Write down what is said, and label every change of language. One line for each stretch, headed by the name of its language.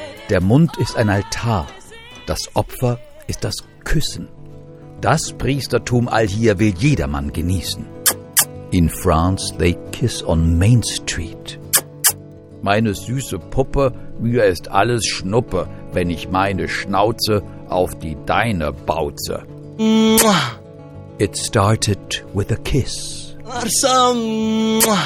German: Der Mund ist ein Altar, das Opfer ist das Küssen. Das Priestertum all hier will jedermann genießen.
English: In France they kiss on Main Street.
German: Meine süße Puppe, mir ist alles Schnuppe, wenn ich meine Schnauze auf die deine bauze.
English: It started with a kiss. Awesome.